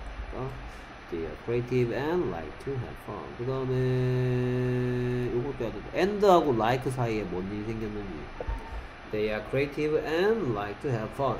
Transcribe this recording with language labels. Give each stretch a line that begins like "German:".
Korean: 그러니까
English: they are creative and like to have fun.
Korean: 그 다음에 이것도 해야 돼. And하고 like 사이에 뭔 일이 생겼는지.
English: They are creative and like to have fun.